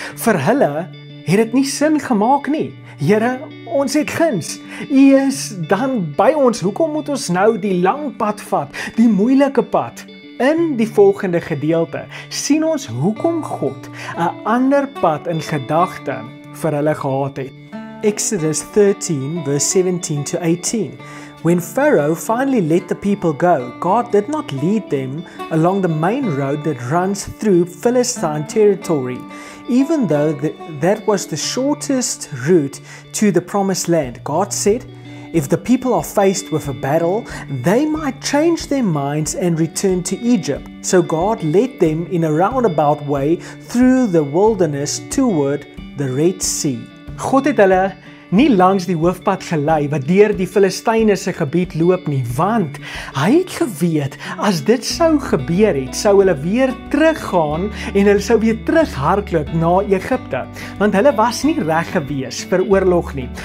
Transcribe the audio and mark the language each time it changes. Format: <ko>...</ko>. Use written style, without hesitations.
<af>Vir hulle het dit nie sin gemaak nie. Here, ons het guns. U is dan by ons. Hoekom moet ons nou die lang pad vat, die moeilike pad? In die volgende gedeelte sien ons hoekom God 'n ander pad in gedagte vir hulle gehad het.</af> <en>Exodus 13 verse 17 to 18. When Pharaoh finally let the people go, God did not lead them along the main road that runs through Philistine territory, even though that was the shortest route to the promised land. God said, if the people are faced with a battle, they might change their minds and return to Egypt. So God led them in a roundabout way through the wilderness toward the Red Sea.</en> <af>God het hulle nie langs die hoofpad gelei wat deur die Filistyne se gebied loop nie, want hy het geweet as dit sou gebeur het, sou hulle weer teruggaan en hulle sou weer terughardloop na Egipte, want hulle was nie reg gewees vir oorlog nie.</af>